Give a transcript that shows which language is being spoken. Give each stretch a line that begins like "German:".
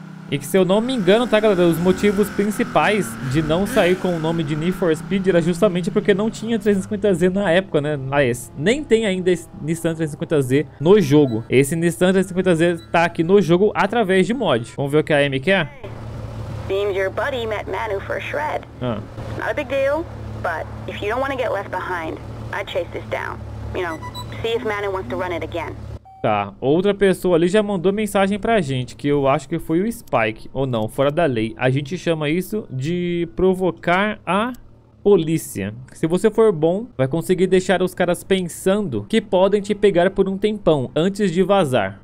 Portuguese: E que, se eu não me engano, tá, galera, os motivos principais de não sair com o nome de Need for Speed era justamente porque não tinha 350Z na época, né? Mas nem tem ainda esse Nissan 350Z no jogo. Esse Nissan 350Z tá aqui no jogo através de mod. Vamos ver o que a Amy quer?
English: Seems your buddy met Manu for a shred. Not a big deal, but if you don't want to get left behind, I'd chase this down. You know, see if Manu wants to run it again.
Portuguese: Tá, outra pessoa ali já mandou mensagem pra gente, que eu acho que foi o Spike, ou não, fora da lei. A gente chama isso de provocar a polícia. Se você for bom, vai conseguir deixar os caras pensando que podem te pegar por um tempão, antes de vazar.